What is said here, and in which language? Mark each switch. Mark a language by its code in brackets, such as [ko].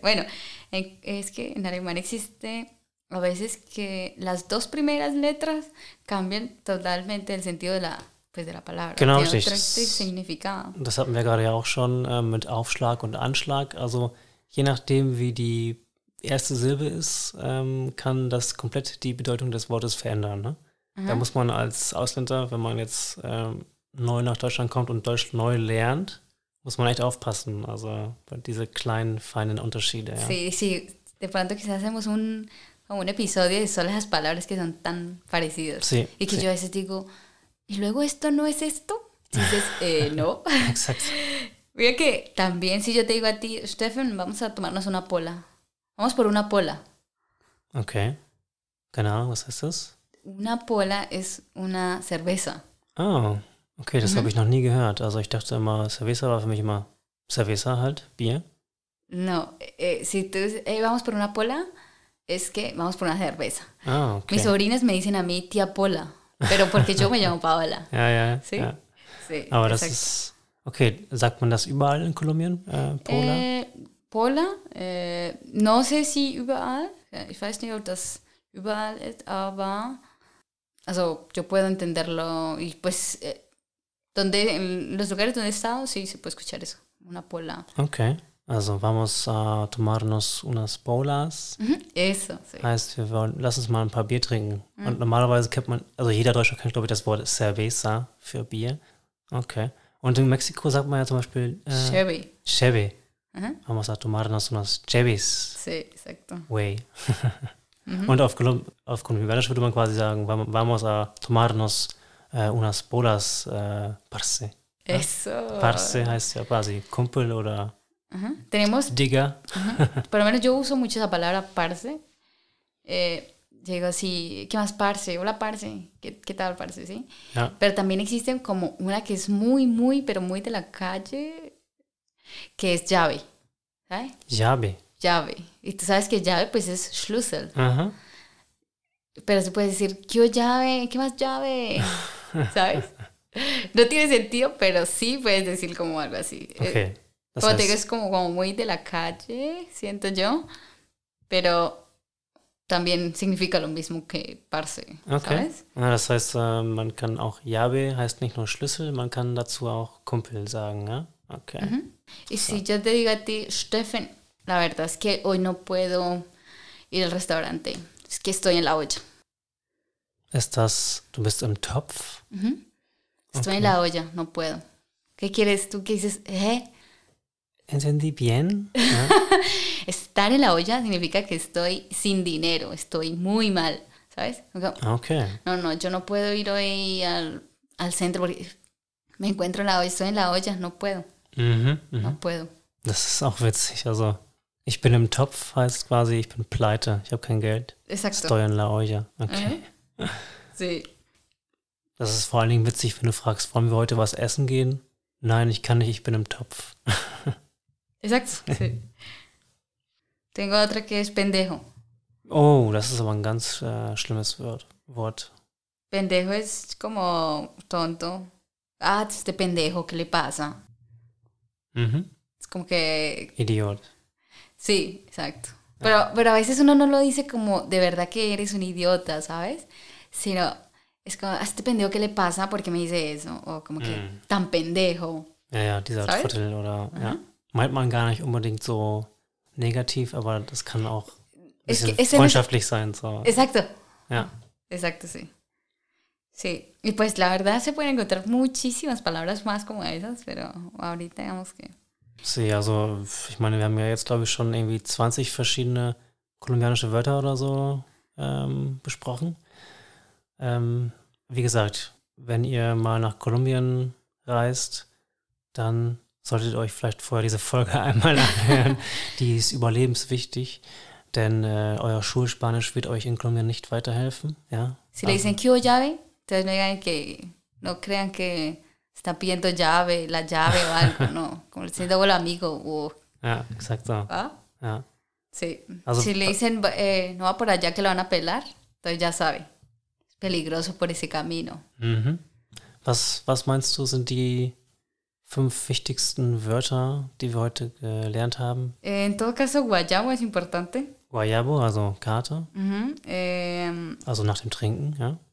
[es] Bueno, es que en alemán existe a veces que las dos primeras letras cambian totalmente el sentido de la... Pues de la palabra. [de] Genau, [es] significado. [de] Das hatten wir gerade ja auch schon mit Aufschlag und Anschlag. Also, je nachdem wie die erste Silbe ist, kann das komplett die Bedeutung des Wortes verändern. Ne? Da muss man als Ausländer, wenn man jetzt neu nach Deutschland kommt und Deutsch neu lernt, muss man echt aufpassen. Also diese kleinen, feinen Unterschiede. Ja. [es] Sí, de pronto quizás hacemos un episodio de solo esas palabras que son tan parecidas. Sí, y que sí. Yo a veces digo, ¿y luego esto no es esto? Dices, no. Exacto. Mira que también si yo te digo a ti, Stefan, vamos a tomarnos una pola. Vamos por una pola. [de] Okay. Genau, was heißt das? [es] Una pola es una cerveza. Oh, [de] Okay, das habe ich noch nie gehört. Also ich dachte immer, Cerveza war für mich immer Cerveza halt, Bier. [es] No, si tú vamos por una pola, es que vamos por una cerveza. Ah, okay. Mis sobrines me dicen a mí tía Pola, pero porque yo me llamo Paola. [de] Ja, ja, [es] sí? [de] Ja. Sí, aber exacto. Das ist, okay, sagt man das überall in Kolumbien, Pola? [es] Pola, no sé si überall, [de] ich weiß nicht, ob das überall ist, aber, also, [es] yo puedo entenderlo, y pues, donde, en los lugares donde he estado, sí, se puede escuchar eso, una pola. Okay. Also, vamos a tomarnos unas bolas. Eso, sí. [de] Heißt, wir wollen, lass uns mal ein paar Bier trinken. Mhm. Und normalerweise kennt man, also jeder Deutsche kennt, glaube ich, das Wort Cerveza für Bier. Okay. Und in Mexiko sagt man ja zum Beispiel... [es] Chevy. Chevy. Mhm. Vamos a tomarnos unas Chevys. Sí, exacto. Way. [de] Und auf Kolumbianisch würde man quasi sagen, [es] vamos a tomarnos unas bolas, parce. Eso. [de] Parce heißt ja quasi Kumpel oder... [es] Uh-huh. Tenemos, diga. Por lo menos yo uso mucho esa palabra, parce. Digo así, ¿qué más, parce? Hola, parce. ¿Qué tal, parce? ¿Sí? [en] Yeah. [es] Pero también existe como una que es muy, muy, pero muy de la calle, que es llave. ¿Sabes? Llave. Llave. Y tú sabes que llave, pues es Schlüssel. Uh-huh. Pero se puede decir, ¿qué llave? ¿Qué más llave? ¿Sabes? No tiene sentido, pero sí puedes decir como algo así. Ok. Das como te digo, es como muy de la calle, siento yo, pero también significa lo mismo que parce, okay. ¿Sabes? [de] Ja, das heißt, man kann auch Llave, heißt nicht nur Schlüssel, man kann dazu auch Kumpel sagen, ja? Okay. [es] Uh-huh. Y so. Si yo te digo a ti, Steffen, la verdad es que hoy no puedo ir al restaurante, es que estoy en la olla. [de] Estás, du bist im Topf? [es] Uh-huh. Estoy okay. En la olla, no puedo. ¿Qué quieres tú? ¿Qué dices? ¿Eh? ¿Entendí bien? ¿Eh? Estar en la olla significa que estoy sin dinero, estoy muy mal, ¿sabes? Ok. No, no, yo no puedo ir hoy al centro porque me encuentro en la olla, estoy en la olla, no puedo. Mm-hmm. No puedo. [de] Das ist auch witzig, also ich bin im Topf heißt quasi, ich bin pleite, ich habe kein Geld. [es] Exacto. Estoy en la olla, okay. Sí. [de] Das ist vor allen Dingen witzig, wenn du fragst, wollen wir heute was essen gehen? Nein, ich kann nicht, ich bin im Topf. [es] Exacto, sí. Tengo otra que es pendejo. [de] Oh, das ist aber ein ganz schlimmes Wort. [es] Pendejo es como tonto. Ah, este pendejo, ¿qué le pasa? Mm-hmm. Es como que... [de] Idiot. [es] Sí, exacto. Pero a veces uno no lo dice como de verdad que eres un idiota, ¿sabes? Sino es como, ah, este pendejo, ¿qué le pasa? ¿Por qué me dice eso? O como que tan pendejo. [de] Ja, ja, dieser Trottel oder... Uh-huh. Ja. Meint man gar nicht unbedingt so negativ, aber das kann auch ein bisschen freundschaftlich sein. So. [es] Exacto. [de] Ja. [es] Exacto, sí. Sí. Y pues la verdad se pueden encontrar muchísimas palabras más como esas, pero ahorita digamos que... [de] Sí, also ich meine, wir haben ja jetzt, glaube ich, schon irgendwie 20 verschiedene kolumbianische Wörter oder so besprochen. Wie gesagt, wenn ihr mal nach Kolumbien reist, dann... Solltet ihr euch vielleicht vorher diese Folge einmal anhören, die ist überlebenswichtig, denn euer Schulspanisch wird euch in Kolumbien nicht weiterhelfen. Ja? [es] Si le dicen que hubo llave, entonces no digan que, no crean que están pidiendo llave, la llave o algo, no. Como le dicen todo el amigo. [de] Ja, exacto. Ah? Ja. [es] Sí. Also, si le dicen, no va por allá que lo van a pelar, entonces ya sabe. Es peligroso por ese camino. [de] Mhm. Was meinst du, sind die... 5 wichtigsten Wörter, die wir heute gelernt haben. [es] En todo caso, guayabo es importante. [de] Guayabo, also Kater. Mm-hmm. Also nach dem Trinken, ja.